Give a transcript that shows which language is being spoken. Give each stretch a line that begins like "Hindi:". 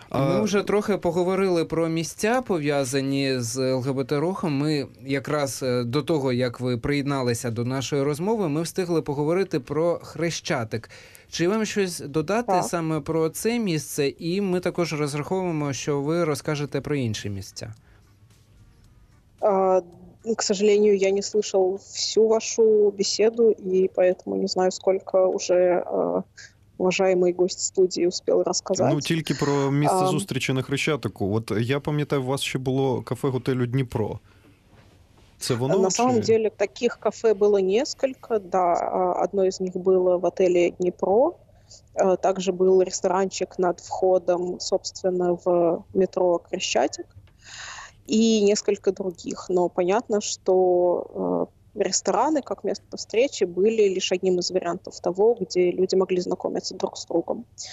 Ukrainian: Ми вже трохи поговорили про місця, пов'язані з ЛГБТ-рухом. Ми якраз до того, як ви приєдналися до нашої розмови, ми встигли поговорити про Хрещатик. Чи вам щось додати так. Саме про це місце? І ми також розраховуємо, що ви розкажете про інші місця.
Russian: К сожалению, я не слышал всю вашу беседу, и поэтому не знаю, сколько уже уважаемый гость студии успел рассказать.
Ukrainian: Ну, тільки про місце зустрічі на Хрещатику. От я пам'ятаю, у вас ще було кафе-готелю «Дніпро». Це воно?
Russian: На самом деле, таких кафе было несколько, да. Одно из них было в отеле «Дніпро». Также был ресторанчик над входом, собственно, в метро «Хрещатик». И несколько других. Но понятно, что рестораны, как место встречи, были лишь одним из вариантов того, где люди могли знакомиться друг с другом.